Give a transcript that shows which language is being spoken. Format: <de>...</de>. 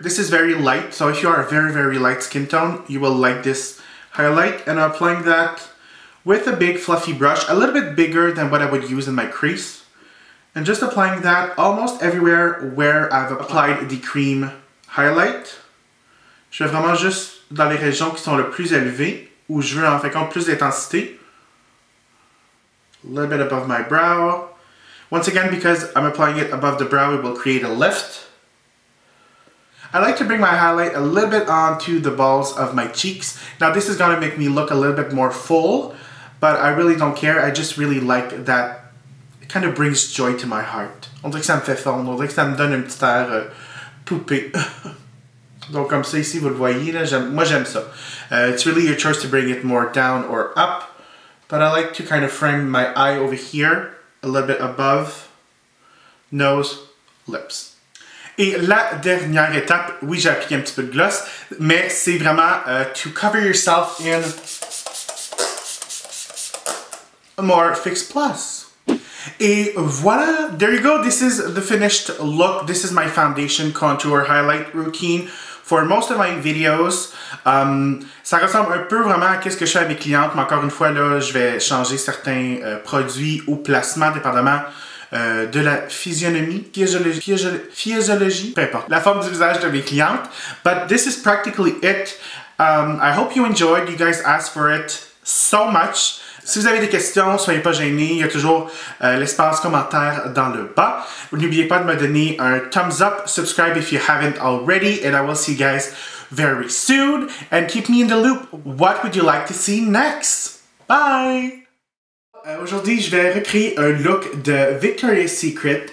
<en>This is very light, so if you are a very, very light skin tone, you will like this highlight. And I'm applying that with a big fluffy brush, a little bit bigger than what I would use in my crease. And just applying that almost everywhere where I've applied the cream highlight.</en> <fr>Je vais vraiment juste dans les régions qui sont le plus élevées, où je veux en fait compte plus d'intensité.</fr> <en>A little bit above my brow. Once again, because I'm applying it above the brow, it will create a lift. I like to bring my highlight a little bit onto the balls of my cheeks. Now, this is going to make me look a little bit more full, but I really don't care. I just really like that. It kind of brings joy to my heart.</en> <fr>On dirait que ça me fait fondre. On dirait que ça me donne une petite air poupée. Donc comme ça ici, vous le voyez, là, moi j'aime ça.</fr> <en>It's really your choice to bring it more down or up. But I like to kind of frame my eye over here, a little bit above nose, lips.</en> <fr>Et la dernière étape, oui j'ai appliqué un petit peu de gloss, mais c'est vraiment</fr> <en>to cover yourself in a more Fix Plus.</en> <fr>Et voilà,</fr> <en>there you go, this is the finished look. This is my foundation contour highlight routine. For most of my videos,</en> <fr>ça ressemble un peu vraiment à ce que je fais avec mes clientes, mais encore une fois, là, je vais changer certains produits ou placements, dépendamment de la physionomie, physiologie, peu importe, la forme du visage de mes clientes.</fr> <en>But this is practically it. I hope you enjoyed. You guys asked for it so much.</en> <fr>Si vous avez des questions, soyez pas gênés. Il y a toujours l'espace commentaire dans le bas. N'oubliez pas de me donner un</fr> <en>thumbs up. Subscribe if you haven't already. And I will see you guys very soon, and keep me in the loop. What would you like to see next? Bye!</en> <fr>Aujourd'hui, je vais recréer un look de Victoria's Secret.</fr>